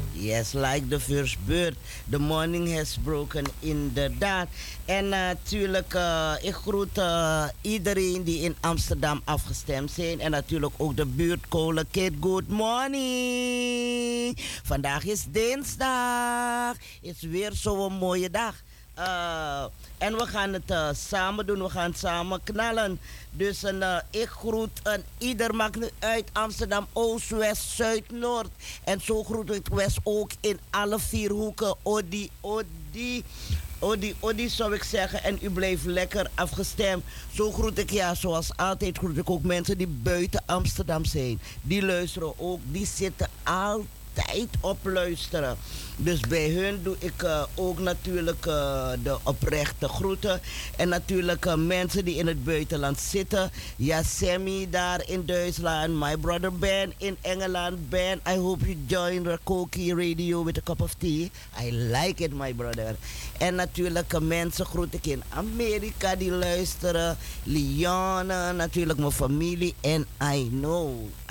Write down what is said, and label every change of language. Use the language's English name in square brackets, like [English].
[English] Yes, like the first bird, the morning has broken, inderdaad. [Dutch] En natuurlijk, ik groet iedereen die in Amsterdam afgestemd zijn. En natuurlijk ook de buurtkolenkit. [English] Good morning! [Dutch] Vandaag is dinsdag. Is weer zo'n mooie dag. En we gaan het samen doen, we gaan samen knallen. Dus ik groet een ieder, maakt nu uit, Amsterdam, Oost, West, Zuid, Noord. En zo groet ik West ook in alle vier hoeken. Odi, odi, odi, odi zou ik zeggen. En u blijft lekker afgestemd. Zo groet ik, ja, zoals altijd groet ik ook mensen die buiten Amsterdam zijn. Die luisteren ook, die zitten altijd. Tijd op luisteren. Dus bij hun doe ik ook natuurlijk de oprechte groeten. En natuurlijk mensen die in het buitenland zitten. Ja, Sammy daar in Duitsland. [English] My brother Ben in Engeland. Ben, I hope you join Rakuki Radio with a cup of tea. I like it, my brother. [Dutch] En natuurlijk mensen groet ik in Amerika die luisteren. Lyon, natuurlijk mijn familie. En [English] I know.